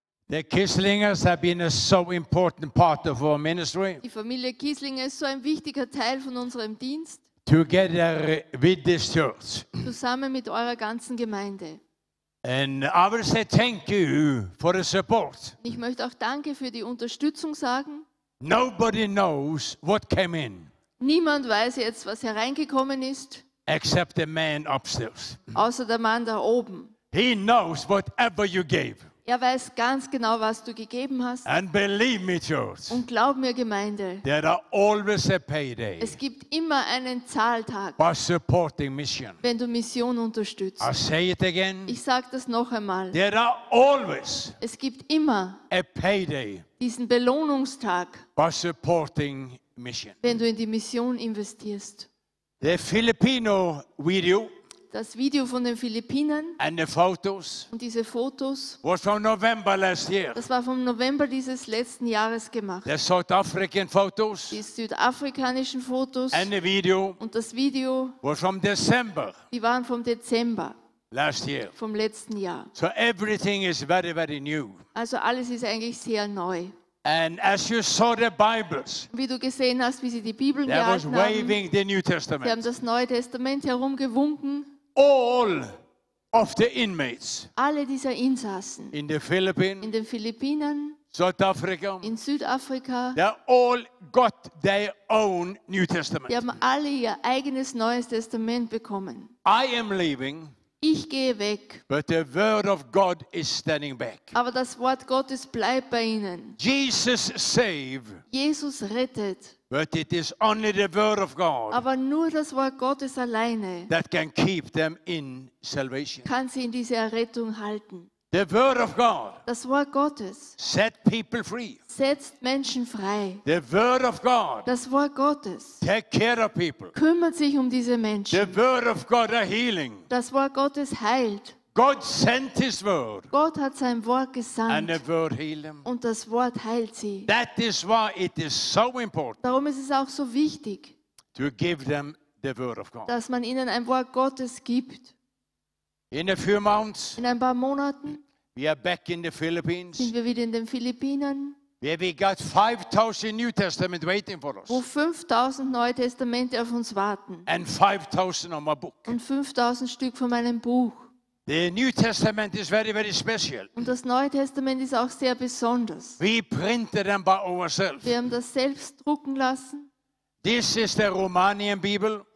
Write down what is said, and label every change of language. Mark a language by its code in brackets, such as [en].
[en] The Kisslingers have been a so important part of our ministry. [de] Die Familie Kiesslinger ist so ein wichtiger Teil von unserem Dienst. [en] Together with this church. [de] Zusammen mit eurer ganzen Gemeinde. [en] And I will say thank you for the support. [de] Ich möchte auch danke für die Unterstützung sagen. [en] Nobody knows what came in. [de] Niemand weiß jetzt, was hereingekommen ist. [en] Except the man upstairs. [de] Außer der Mann da oben. [en] He knows whatever you gave. [de] Er weiß ganz genau, was du gegeben hast. [en] And believe me, George. [de] Und glaub mir, Gemeinde. [en] There are always a payday. [de] Es gibt immer einen Zahltag. [en] By supporting mission. [de] Wenn du Mission unterstützt. [en] I say it again. [de] Ich sag das noch einmal. [en] There are always. [de] Es gibt immer. [en] A payday. [de] Diesen Belohnungstag. [en] By supporting mission. [de] Wenn du in die Mission investierst. [en] The Filipino video. [de] Das Video von den Philippinen [en] and the photos [de] und diese Fotos [en] was from November last year. [de] Das war vom November dieses letzten Jahres gemacht. [en] The South African photos, [de] die südafrikanischen Fotos [en] and the video [de] und das Video [en] was from December, [de] die waren vom Dezember [en] last year. [de] Vom letzten Jahr. [en] So everything is very, very new. [de] Also alles ist eigentlich sehr neu. [en] And as you saw the Bibles, [de] wie du gesehen hast, wie sie die Bibeln gehalten haben, [en] they were waving the New Testament. [de] Sie haben das Neue Testament herumgewunken. [en] All of the inmates, [de] alle dieser Insassen, [en] in the Philippines, [de] in den Philippinen, [en] South Africa, [de] in Südafrika, [en] they all got their own New Testament. [de] Sie haben alle ihr eigenes Neues Testament bekommen. [en] I am leaving. [de] Ich gehe weg. [en] But the word of God is standing back. [de] Aber das Wort Gottes bleibt bei ihnen. [en] Jesus save. [de] Jesus rettet. [en] But it is only the word of God. [de] Aber nur das Wort Gottes alleine. [en] That can keep them in salvation. [de] Kann sie in diese Errettung halten. [en] The word of God. [de] Das Wort Gottes. [en] Set people free. [de] Setzt Menschen frei. [en] The word of God. [de] Das Wort Gottes. [en] Take care of people. [de] Kümmert sich um diese Menschen. [en] The word of God a healing. [de] Das Wort Gottes heilt. [en] God sent his word. [de] Gott hat sein Wort gesandt. [en] And the word healed them. [de] Und das Wort heilt sie. [en] That is why it is so important. [de] Darum ist es auch so wichtig. [en] To give them the word of God. [de] Dass man ihnen ein Wort Gottes gibt. [en] In a few months, [de] in ein paar Monaten, [en] we are back in the Philippines. [de] Sind wir wieder in den Philippinen. [en] Where we got 5,000 New Testament waiting for us. [de] Wo 5,000 Neue Testamente auf uns warten. [en] And 5,000 on my book. [de] Und 5,000 Stück von meinem Buch. [en] The New Testament is very, very special. [de] Und das Neue Testament ist auch sehr besonders. [en] We printed them by ourselves. [de] Wir haben das selbst drucken lassen. [en] This is the Romanian Bible.